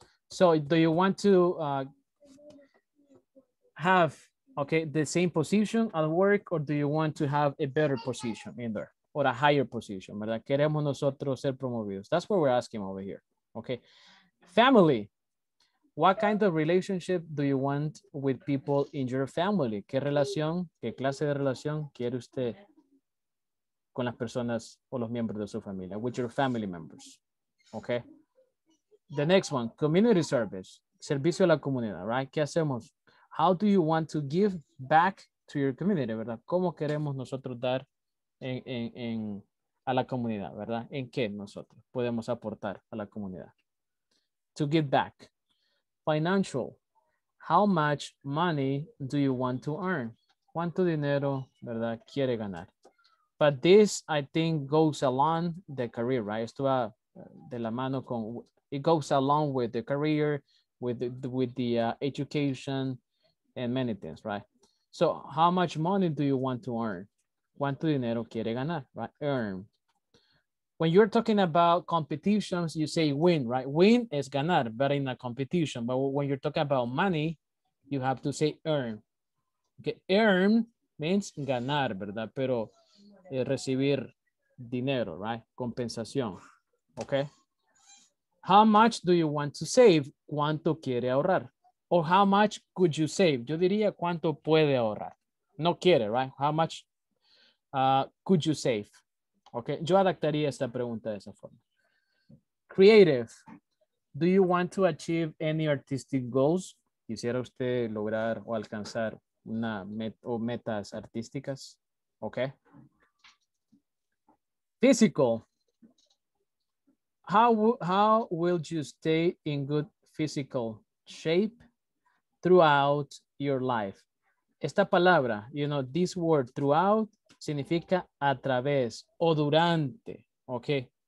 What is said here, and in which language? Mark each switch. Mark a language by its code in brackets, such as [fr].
[en] So do you want to have, okay, the same position at work, or do you want to have a better position in there or a higher position, ¿verdad? [es] Queremos nosotros ser promovidos. [en] That's what we're asking over here, okay? Family. What kind of relationship do you want with people in your family? [es] ¿Qué relación, qué clase de relación quiere usted con las personas o los miembros de su familia? [en] With your family members, okay? The next one, community service. [es] Servicio a la comunidad, right? ¿Qué hacemos? [en] How do you want to give back to your community, verdad? [es] ¿Cómo queremos nosotros dar en a la comunidad, verdad? ¿En qué nosotros podemos aportar a la comunidad? [en] To give back. Financial, how much money do you want to earn? [es] ¿Cuánto dinero, verdad, quiere ganar? [en] But this, I think, goes along the career, right? [es] Esto va de la mano con, [en] it goes along with the career, with the education, and many things, right? So how much money do you want to earn? [es] ¿Cuánto dinero quiere ganar, [en] right? Earn. When you're talking about competitions, you say win, right? Win is ganar, but in a competition. But when you're talking about money, you have to say earn. [es] Okay, earn means ganar, ¿verdad? Pero recibir dinero, right? [en] Compensación, okay? How much do you want to save? [es] ¿Cuánto quiere ahorrar? [en] Or how much could you save? [es] Yo diría, ¿cuánto puede ahorrar? No quiere, right? [en] How much could you save? [es] Okay, yo adaptaría esta pregunta de esa forma. [en] Creative. Do you want to achieve any artistic goals? [es] ¿Quisiera usted lograr o alcanzar una metas artísticas? [en] Okay. Physical. How will you stay in good physical shape throughout your life? [es] Esta palabra, [en] you know, this word throughout [es] significa a través o durante, okay?